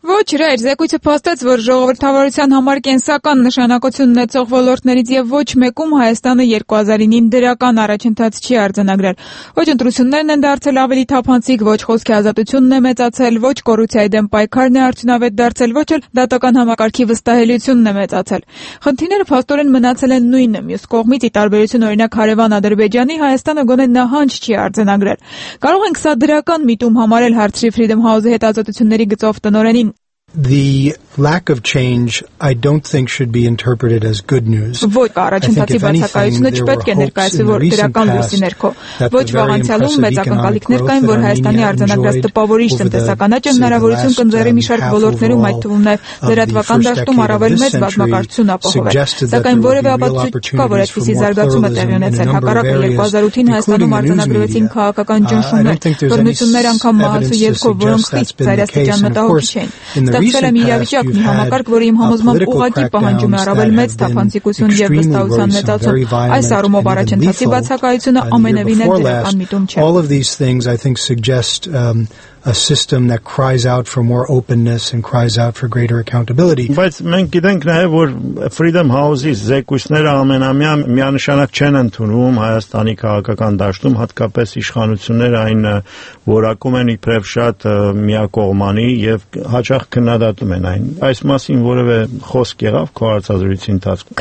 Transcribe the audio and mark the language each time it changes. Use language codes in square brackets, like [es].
[hy] Ոչ, ռեր, զեկույցը փաստեց, որ ժողովրդավարության համար կենսական նշանակություն ունեցող ոլորտներից և ոչ մեկում Հայաստանը 2009-ին դրական առաջընթաց չի արձանագրել։ Ոչ ընտրություններն են դարձել ավելի թափանցիկ, ոչ խոսքի ազատությունն է մեծացել, ոչ կոռուպցիայի դեմ պայքարն է արդյունավետ դարձել, ոչ էլ դատական համակարգի վստահելիությունն է մեծացել։ Խնդիրները փաստորեն մնացել են նույնը, մյուս կողմից՝ ի տարբերություն օրինակ հարևան Ադրբեջանի, Հայաստանը գոնե նահանջ չի արձանագրել։ Կարող ենք սա դրական միտում համարել հարցրի Freedom House-ի հետազոտությունների գծով տնօրենին։ [en] The lack of change I don't think should be interpreted as good news. [hy] Ոչ, առաջընթացի բացակայությունը չպետք է ներկայացվի, որ դրական լուսի ներքո։ Ոչ, վաղանցյալում մեծ ակնկալիքներ կային, որ Հայաստանի արձանագրած տպավորիչ տնտեսականաճը հնարավորություն կընձեռի մի շարք ոլորտներում, այդ թվում նաև զարգացման դաշտում առավել մեծ բազմակարգություն ապահովել։ Սակայն որևէ ապացույց չկա, որ այդպիսի զարգացումը տեղի ունեցել։ Հակառակը 2008-ին Հայաստանում արձանագրվեցին քաղաքական ճնշումներ, բռնություններ, անգամ մահացու երկու, որոնք խիստ ծայրաստիճան մտահոգիչ են։ Ստացվել է մի իրավիճակ, մի համակարգ, որի իմ համոզմամբ ուղղակի պահանջում է առավել մեծ թափանցիկություն և վստահության մեծացում։ Այս առումով առաջընթացի բացակայությունը ամենևին է դրական միտում չէ։ [en] All of these things I think suggest a system that cries out for more openness and cries out for greater accountability. [hy] Բայց մենք գիտենք նաև, որ Freedom House-ի զեկույցները ամենամյա միանշանակ չեն ընդունվում Հայաստանի քաղաքական դաշտում, հատկապես իշխանությունները այն որակում են իբրև շատ միակողմանի և հաճախ քննադատում են այն։ Այս մասին որևէ խոսք եղավ քո հարցազրույցի ընթացքում։